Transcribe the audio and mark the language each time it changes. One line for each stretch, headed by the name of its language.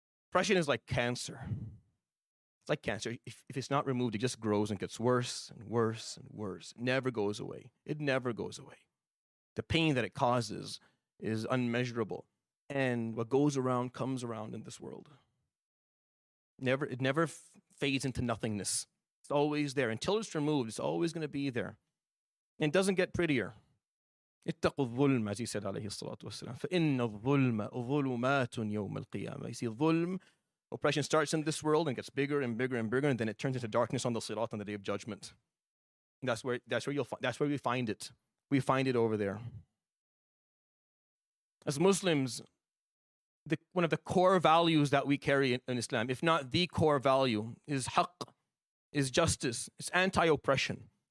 English: Oppression is like cancer. It's like cancer. If it's not removed, it just grows and gets worse and worse and worse. It never goes away. It never goes away. The pain that it causes is unmeasurable. And what goes around comes around in this world. It never fades into nothingness. It's always there. Until it's removed, it's always going to be there. And it doesn't get prettier.
Arabic: اتقوا الظلم,
English: as he said,
Arabic: عليه الصلاة والسلام. فَإِنَّ الظُّلْمَ ظُلُمَاتٌ يَوْمَ الْقِيَامَةِ.
English: You see, ظُلْم, oppression starts in this world and gets bigger and bigger and bigger, and then it turns into darkness on the Sirat on the Day of Judgment. And that's where we find it. We find it over there. As Muslims, one of the core values that we carry in Islam, if not the core value, is haqq, is justice, is anti-oppression.